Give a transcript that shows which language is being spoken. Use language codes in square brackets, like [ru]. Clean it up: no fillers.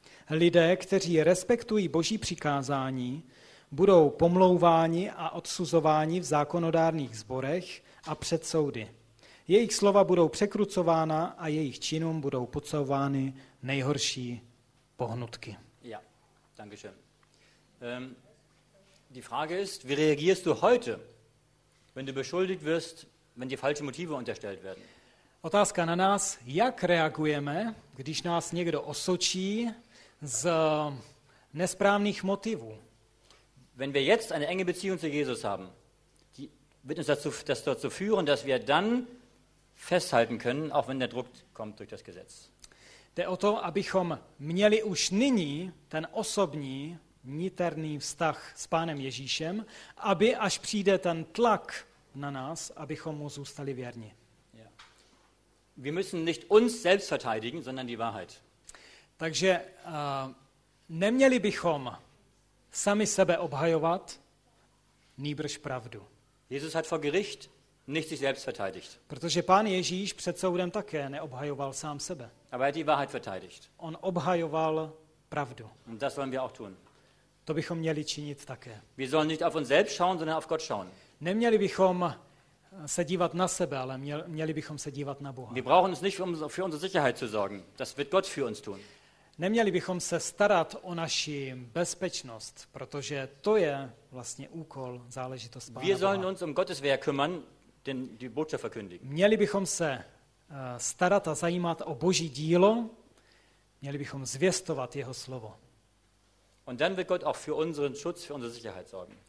[cs] Lidé, kteří respektují boží přikázání, budou pomlouváni a odsuzováni v zákonodárných sborech a před soudy. Jejich slova budou překrucována a jejich činům budou podsouvány nejhorší pohnutky. [de] Ja, danke schön. Die Frage ist, wie reagierst du heute, wenn du beschuldigt wirst, wenn dir falsche Motive unterstellt werden? [cs] Otázka na nás, jak reagujeme, když nás někdo osočí z nesprávných motivů? [de] Wenn wir jetzt eine enge Beziehung zu Jesus haben, die wird uns dazu führen, dass wir dann festhalten können, auch wenn der Druck kommt durch das Gesetz. [cs] Jde o to, abychom měli už nyní ten osobní niterný vztah s Pánem Ježíšem, aby až přijde ten tlak na nás, abychom mu zůstali věrni. [de] Ja. Wir müssen nicht uns selbst verteidigen, sondern die Wahrheit. [cs] Takže neměli bychom sami sebe obhajovat, nýbrž pravdu. [de] Jesus hat vor Gericht nicht sich selbst verteidigt. [cs] Protože Pán Ježíš před soudem také neobhajoval sám sebe. [de] Aber er hat die Wahrheit verteidigt. [cs] On obhajoval pravdu. [de] Und das wollen wir auch tun. [cs] To bychom měli činit také. [de] Wir sollen nicht auf uns selbst schauen, sondern auf Gott schauen. [cs] Neměli bychom se dívat na sebe, ale měli bychom se dívat na Boha. [de] Wir brauchen uns nicht für unsere Sicherheit zu sorgen. Das wird Gott für uns tun. [cs] Neměli bychom se starat o naši bezpečnost, protože to je vlastně úkol, záležitost Pána [de] Boha. Wir sollen uns um Gottes Werk kümmern, denn die Botschaft verkündigen. [cs] Měli bychom se starat a zajímat o Boží dílo, měli bychom zvěstovat jeho slovo. [de] Und dann wird Gott auch für unseren Schutz, für unsere Sicherheit sorgen.